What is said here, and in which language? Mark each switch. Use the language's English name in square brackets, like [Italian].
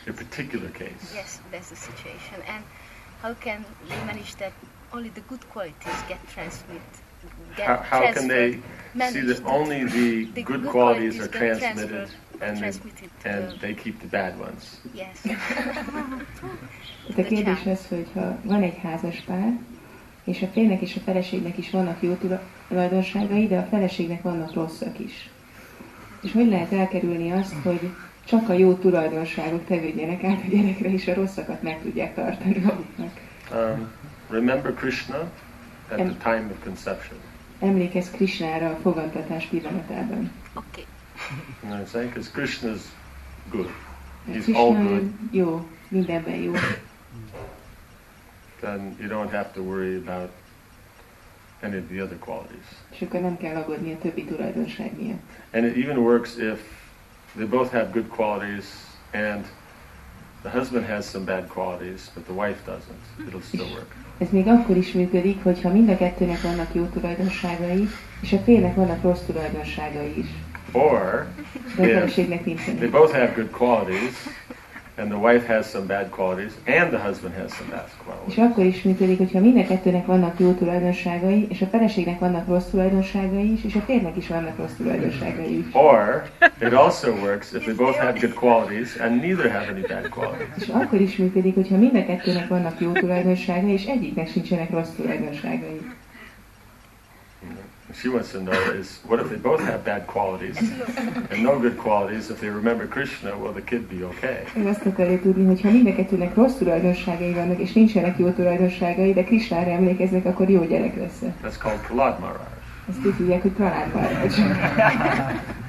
[English] A particular case. Yes, that's the situation. And how can they manage that only the good qualities get transmitted? How can they see that only the good qualities are transmitted and they keep the bad ones? Yes. [Hungarian] The kérdés az, hogy ha van egy házas pár, és a férjnek és a feleségnek is vannak jó tulajdonságai, de a feleségnek vannak rosszak is. És hogy lehet elkerülni azt, hogy csak a jó tulajdonságok tevődjenek át a gyerekre, és a rosszakat meg tudják tartani maguknak? [English] Remember Krishna at the time of conception. [Hungarian] Emlékezz Krishnára a fogantatás pillanatában. [English] Okay. No, say, because Krishna's good. He's Krishna all good. [Hungarian] Jó, mindenben jó. [English] Then you don't have to worry about any of the other qualities. [Hungarian] És akkor nem kell aggódni a többi tulajdonság miatt. [English] And it even works if they both have good qualities and the husband has some bad qualities, but the wife doesn't. It'll still work. [Hungarian] Ez még akkor is működik, hogyha mind a kettőnek vannak jó tulajdonságai, és a félnek vannak rossz tulajdonságai is. [English] Or, they both have good qualities, and the wife has some bad qualities, and the husband has some bad qualities. [Hungarian] És akkor is működik, hogyha mind a kettőnek vannak jó tulajdonságai, és a feleségnek vannak rossz tulajdonságai is, és a férjnek is vannak rossz tulajdonságai is. [English] Or, it also works if they both have good qualities, and neither have any bad qualities. [Hungarian] És akkor is működik, hogyha mind a kettőnek vannak jó tulajdonságai, és egyiknek sincsenek rossz tulajdonságai. [English] She wants to know is, what if they both have bad qualities and no good qualities, if they remember Krishna, will the kid be okay? [Hungarian] Én azt akarja tudni, hogyha mind a kettőnek rossz tulajdonságai vannak, és nincsenek jó tulajdonságai, de Krishnára emlékeznek, akkor jó gyerek lesz. [English] That's called Prahlad Maharaj. [Hungarian] Ezt úgy hívják, hogy Prahlad Maharaj.